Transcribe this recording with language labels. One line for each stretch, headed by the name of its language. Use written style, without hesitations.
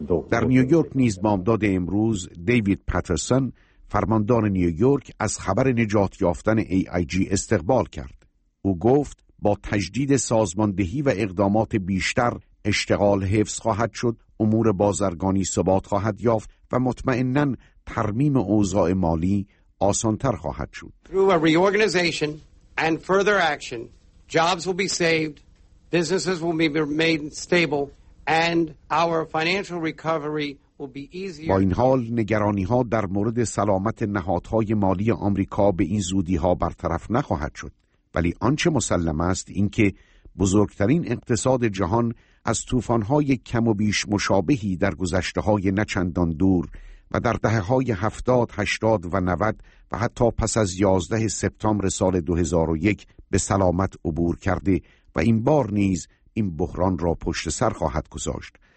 Persian: در نیویورک نیز بامداد امروز، دیوید پترسون، فرماندار نیویورک، از خبر نجات یافتن AIG استقبال کرد. او گفت: با تجدید سازماندهی و اقدامات بیشتر، اشتغال حفظ خواهد شد امور بازرگانی ثبات خواهد یافت و مطمئناً ترمیم اوضاع مالی آسان‌تر خواهد شد.
English: Through a reorganization and further action, jobs will be saved, businesses will be made stable, and our financial recovery will be easier.
Persian: با این حال، نگرانی‌ها در مورد سلامت نهادهای مالی آمریکا به این زودی‌ها برطرف نخواهد شد. ولی آنچه مسلم است اینکه بزرگترین اقتصاد جهان از طوفان‌های کم و بیش مشابهی در گذشته‌های نچندان دور و در دهه‌های 70، 80 و 90 و حتی پس از 11 سپتامبر سال 2001 به سلامت عبور کرده و این بار نیز این بحران را پشت سر خواهد گذاشت.